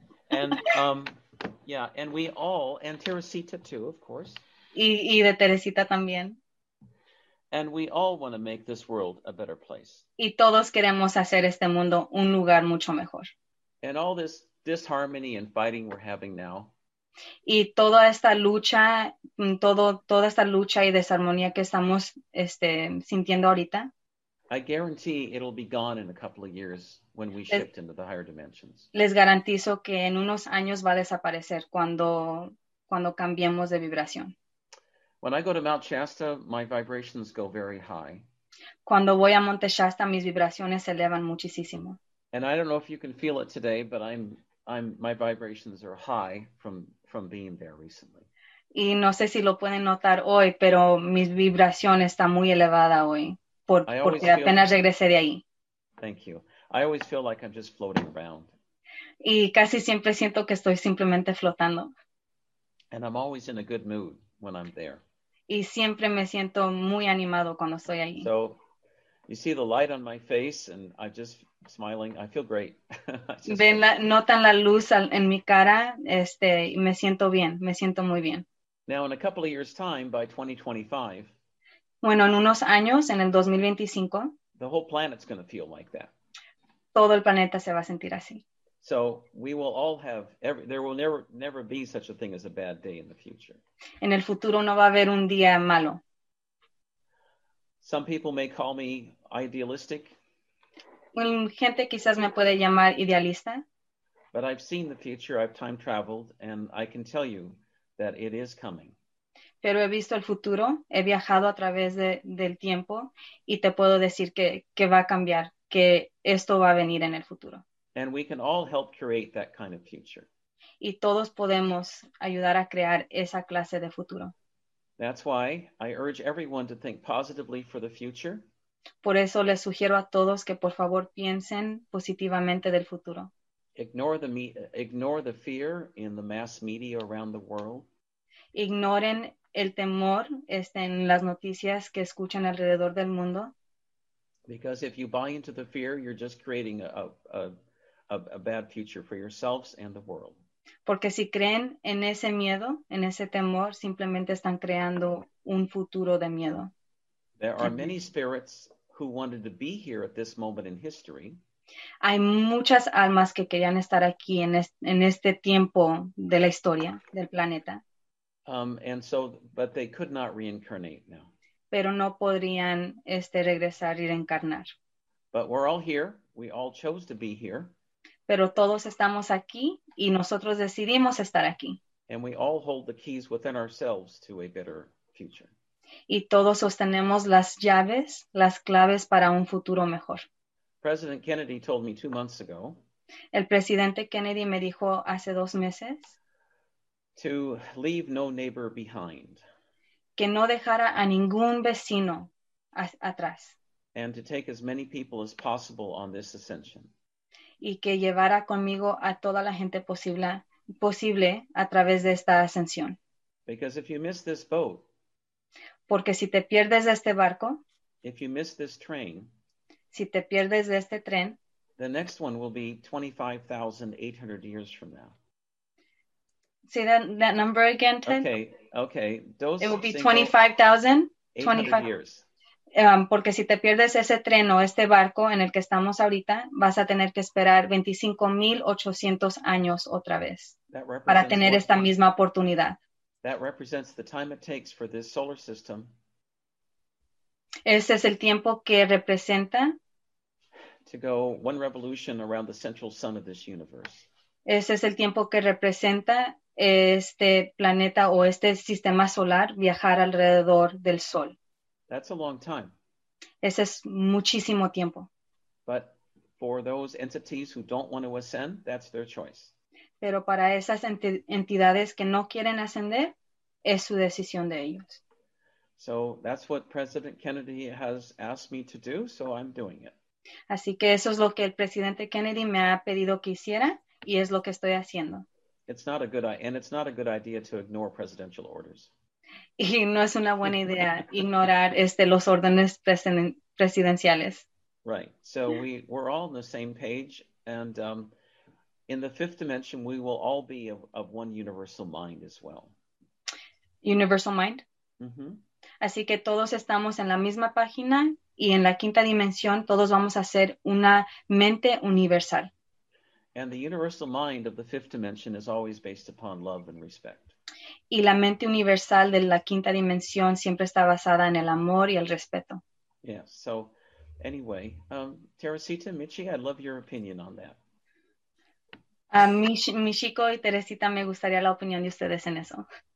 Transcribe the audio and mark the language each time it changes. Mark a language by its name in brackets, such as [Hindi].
[English] And we all, and Teresita too, of course. [Spanish] Y de Teresita también. [English] And we all want to make this world a better place. [Spanish] Y todos queremos hacer mundo un lugar mucho mejor. [English] And all this disharmony and fighting we're having now. [Spanish] Y toda esta lucha y desarmonía que estamos sintiendo ahorita. [English] I guarantee it'll be gone in a couple of years when we shift into the higher dimensions. [Spanish] Les garantizo que en unos años va a desaparecer cuando cambiemos de vibración. [English] When I go to Mount Shasta, my vibrations go very high. [Spanish] Cuando voy a Monte Shasta, mis vibraciones se elevan muchísimo. [English] And I don't know if you can feel it today, but I'm my vibrations are high from being there recently. [Spanish] Y no sé si lo pueden notar hoy, pero mi vibración está muy elevada hoy porque apenas regresé de ahí. [English] Thank you. I always feel like I'm just floating around. [Spanish] Y casi siempre siento que estoy simplemente flotando. [English] And I'm always in a good mood when I'm there. [Spanish] Y siempre me siento muy animado cuando estoy ahí. [English] So you see the light on my face and I just smiling, I feel great. [Spanish] Notan la luz en mi cara, me siento bien, me siento muy bien. [English] Now, in a couple of years' time, by 2025, [Spanish] bueno, en unos años, en el 2025, [English] the whole planet's going to feel like that. [Spanish] Todo el planeta se va a sentir así. [English] So we will all have, there will never be such a thing as a bad day in the future. [Spanish] En el futuro no va a haber un día malo. [English] Some people may call me idealistic. Well, [Spanish] gente quizás me puede llamar idealista. [English] But I've seen the future, I've time traveled, and I can tell you that it is coming. [Spanish] Pero he visto el futuro, he viajado a través del tiempo, y te puedo decir que va a cambiar, que esto va a venir en el futuro. [English] And we can all help create that kind of future. [Spanish] Y todos podemos ayudar a crear esa clase de futuro. [English] That's why I urge everyone to think positively for the future. [Spanish] Por eso les sugiero a todos que por favor piensen positivamente del futuro. [English] Ignore the fear in the mass media around the world. [Spanish] Ignoren el temor en las noticias que escuchan alrededor del mundo. [English] Because if you buy into the fear, you're just creating a bad future for yourselves and the world. [Spanish] Porque si creen en ese miedo, en ese temor, simplemente están creando un futuro de miedo. [English] There are many spirits who wanted to be here at this moment in history. [Spanish] Hay muchas almas que querían estar aquí en este tiempo de la historia del planeta. [English] But they could not reincarnate now. [Spanish] Pero no podrían regresar y reencarnar. [English] But we're all here. We all chose to be here. [Spanish] Pero todos estamos aquí y nosotros decidimos estar aquí. [English] And we all hold the keys within ourselves to a better future. [Spanish] Y todos sostenemos las llaves, las claves para un futuro mejor. [English] President Kennedy told me 2 months ago. [Spanish] El presidente Kennedy me dijo hace 2 meses. [English] To leave no neighbor behind. [Spanish] Que no dejara a ningún vecino atrás. [English] And to take as many people as possible on this ascension. [Spanish] Y que llevara conmigo a toda la gente posible a través de esta ascensión. [English] Because if you miss this boat. [Spanish] Porque si te pierdes de este barco. [English] If you miss this train. [Spanish] Si te pierdes de este tren. [English] The next one will be 25,800 years from now. Say that number again, Ted. Okay. Those it will be 25,000. 25 years. [Spanish] Porque si te pierdes ese tren o este barco en el que estamos ahorita, vas a tener que esperar 25,800 años otra vez para tener esta misma oportunidad. [English] That represents the time it takes for this solar system. [Spanish] Ese es el tiempo que representa [English] to go one revolution around the central sun of this universe. [Spanish] Ese es el tiempo que representa este planeta o este sistema solar viajar alrededor del sol. [English] That's a long time. [Spanish] Ese es muchísimo tiempo. [English] But for those entities who don't want to ascend, that's their choice. [Spanish] Pero para esas entidades que no quieren ascender, es su decisión de ellos. [English] So that's what President Kennedy has asked me to do, so I'm doing it. [Spanish] Así que eso es lo que el presidente Kennedy me ha pedido que hiciera, y es lo que estoy haciendo. [English] It's not a good idea to ignore presidential orders. [Spanish] Y no es una buena idea ignorar los órdenes presidenciales. [English] Right. So yeah. We're all on the same page. And in the fifth dimension, we will all be of one universal mind as well. Universal mind. Mm-hmm. [Spanish] Así que todos estamos en la misma página y en la quinta dimensión, todos vamos a ser una mente universal. [English] And the universal mind of the fifth dimension is always based upon love and respect. [Spanish] Y la mente universal de la quinta dimensión siempre está basada en el amor y el respeto. [English] Yeah, so anyway, Teresita, Michi, I'd love your opinion on that. [Spanish] Michiko y Teresita, me gustaría la opinión de ustedes en eso.